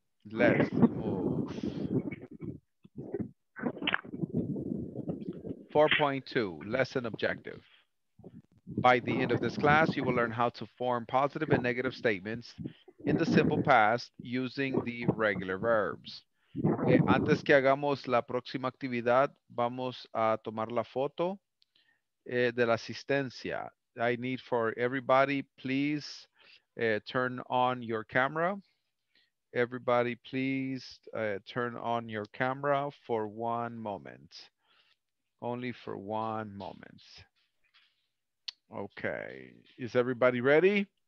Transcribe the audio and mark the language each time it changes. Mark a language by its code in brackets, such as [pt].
[en] Let's move. 4.2, lesson objective. By the end of this class, you will learn how to form positive and negative statements in the simple past using the regular verbs. [es] Okay, antes que hagamos la próxima actividad, vamos a tomar la foto de la asistencia. [en] I need for everybody, please turn on your camera. Everybody, please turn on your camera for one moment. Only for one moment. Okay, is everybody ready?